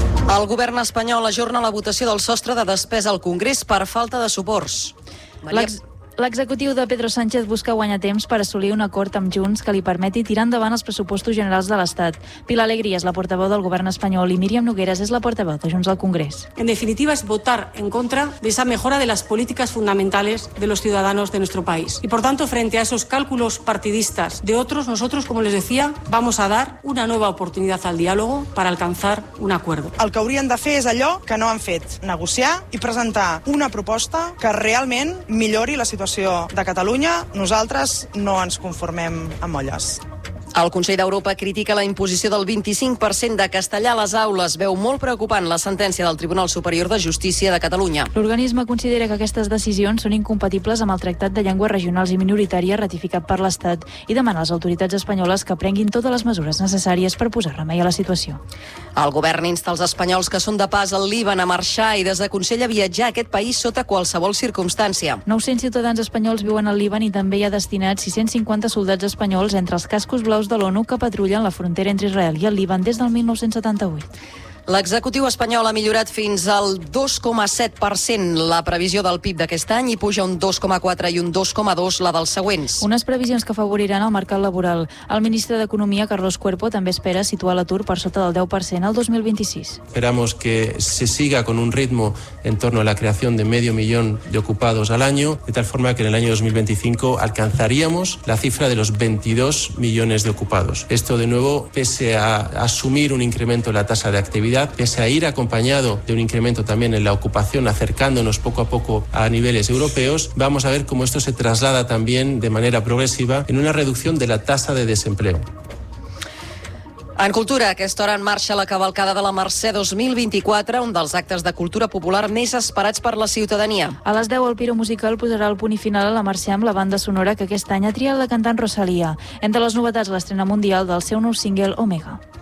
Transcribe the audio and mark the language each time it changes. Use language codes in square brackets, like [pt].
[ca] El govern espanyol ajorna la votació del sostre de despesa al Congrés per falta de suports. L'executiu de Pedro Sánchez busca guanyar temps per assolir un acord amb Junts que li permeti tirar endavant els pressupostos generals de l'Estat. Pilar Alegría és la portaveu del govern espanyol i Míriam Nogueras és la portaveu de Junts al Congrés. [es] En definitiva, es votar en contra de esa mejora de las políticas fundamentales de los ciudadanos de nuestro país. Y por tanto, frente a esos cálculos partidistas de otros, nosotros, como les decía, vamos a dar una nueva oportunidad al diálogo para alcanzar un acuerdo. [ca] El que haurien de fer és allò que no han fet, negociar i presentar una proposta que realment millori la situació de Catalunya. Nosaltres no ens conformem amb olles. El Consell d'Europa critica la imposició del 25% de castellà a les aules. Veu molt preocupant la sentència del Tribunal Superior de Justícia de Catalunya. L'organisme considera que aquestes decisions són incompatibles amb el Tractat de Llengües Regionals i Minoritàries ratificat per l'Estat i demana a les autoritats espanyoles que prenguin totes les mesures necessàries per posar remei a la situació. El govern insta els espanyols que són de pas al Líban a marxar i desaconsella viatjar a aquest país sota qualsevol circumstància. 900 ciutadans espanyols viuen al Líban i també hi ha destinat 650 soldats espanyols entre els cascos blaus de l'ONU que patrullen la frontera entre Israel i el Líban des del 1978. L'executiu espanyol ha millorat fins al 2,7% la previsió del PIB d'aquest any i puja un 2,4 i un 2,2 la dels següents. Unes previsions que afavoriran el mercat laboral. El ministre d'Economia, Carlos Cuerpo, també espera situar l'atur per sota del 10% al 2026. [es] Esperamos que se siga con un ritmo en torno a la creación de 500,000 de ocupados al año, de tal forma que en el año 2025 alcanzaríamos la cifra de los 22 millones de ocupados. Esto, de nuevo, pese a asumir un incremento en la tasa de actividad, pese a ir acompañado de un incremento también en la ocupación, acercándonos poco a poco a niveles europeos, vamos a ver cómo esto se traslada también de manera progresiva en una reducción de la tasa de desempleo. [ca] En cultura, a aquesta hora en marxa la cavalcada de la Mercè 2024, un dels actes de cultura popular més esperats per la ciutadania. A les 10, el Piro Musical posarà el punt i final a la Mercè amb la banda sonora que aquest any ha triat la cantant Rosalía. Entre les novetats, l'estrena mundial del seu nou single Omega.